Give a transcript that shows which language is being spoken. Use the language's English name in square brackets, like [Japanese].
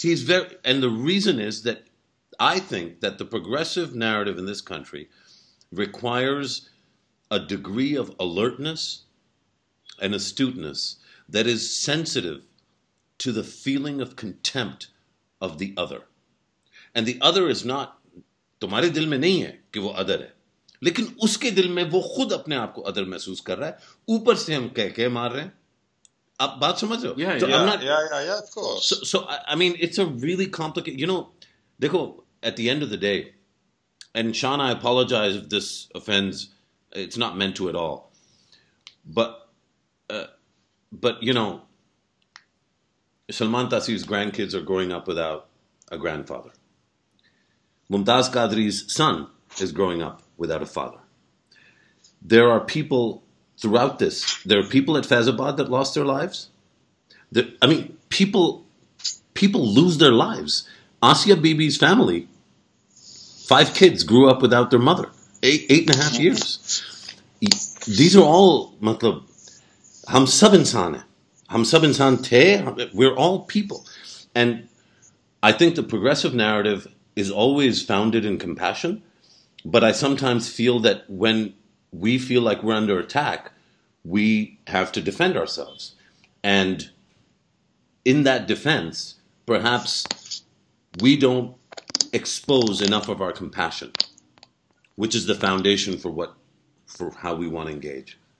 [English] He's very, and the reason is that I think that the progressive narrative in this country requires a degree of alertness and astuteness that is sensitive to the feeling of contempt of the other. And the other is not, [Urdu] تمہارے دل میں نہیں ہے کہ وہ other ہے. لیکن اس کے دل میں وہ خود اپنے آپ کو other محسوس کر رہا ہے. اوپر سے ہم کہہ کے مار رہے ہیں. آپ بات سمجھ رہے ہو? [English] Yeah, so yeah, of course. So I mean, it's a really complicated, you know, dekho, at the end of the day, and Sean, I apologize if this offends, it's not meant to at all, but you know, Salman Taseer's grandkids are growing up without a grandfather. Mumtaz Qadri's son is growing up without a father. There are people throughout this, there are people at Faizabad that lost their lives. People lose their lives. Asia Bibi's family, 5 kids grew up without their mother, 8.5 years. These are all, [Urdu] مطلب, ہم سب انسان ہے. Hum sab insaan the, [English] we're all people. And I think the progressive narrative is always founded in compassion, but I sometimes feel that when we feel like we're under attack, we have to defend ourselves. And in that defense, perhaps we don't expose enough of our compassion, which is the foundation for how we want to engage.